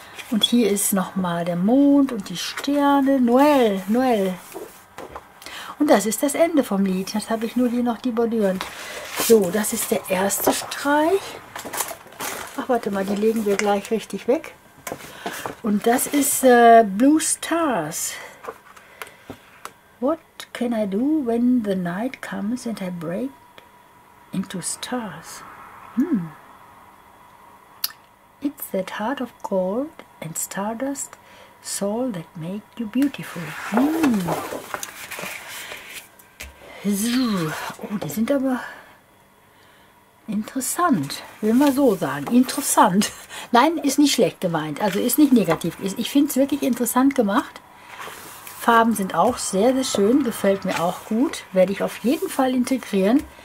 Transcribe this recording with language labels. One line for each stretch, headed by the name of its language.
German: Und hier ist nochmal der Mond und die Sterne. Noel, Noel. Und das ist das Ende vom Lied. Jetzt habe ich nur hier noch die Bordüren. So, das ist der erste Streich. Ach, warte mal, die legen wir gleich richtig weg. Und das ist Blue Stars.
English: What can I do when the night comes and I break into stars? It's that heart of gold and stardust soul that make you beautiful.
German: Oh, die sind aber interessant. Will man so sagen. Interessant. Nein, ist nicht schlecht gemeint. Also ist nicht negativ. Ich finde es wirklich interessant gemacht. Farben sind auch sehr, sehr schön. Gefällt mir auch gut. Werde ich auf jeden Fall integrieren.